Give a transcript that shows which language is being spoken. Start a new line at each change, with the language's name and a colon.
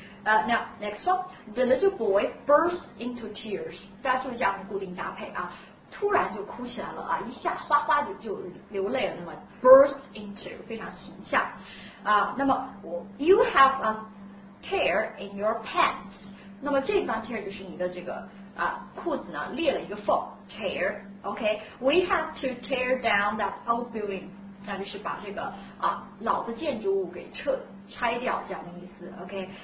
English: Now, next one, the little boy burst into tears.
Chinese: 大家注意这样的固定搭配啊，突然就哭起来了啊，一下哗哗的就流泪了。那么 burst into 非常形象啊。
English: 那么 you have a tear in your pants.
Chinese: 那么这方 tear 就是你的这个裤子呢裂了一个缝 tear.
English: Okay, we have to tear down that old building.
Chinese: 那就是把这个老的建筑物给拆掉这样的意思 ，OK。